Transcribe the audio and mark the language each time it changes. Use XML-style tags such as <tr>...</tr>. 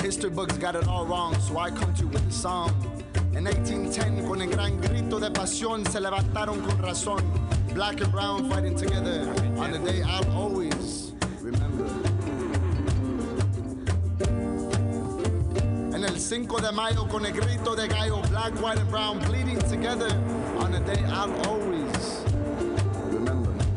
<en>Books got it all wrong, so I come to you with a song.</en> <es>In 1810, con el gran grito de pasión, se levantaron con razón.</es> <en>Black and brown fighting together on the day I'll always remember. In the</en> <es>el Cinco de Mayo con el grito de gallo,</es> <en>black, white and brown, bleeding together on a day I'll always remember.</en>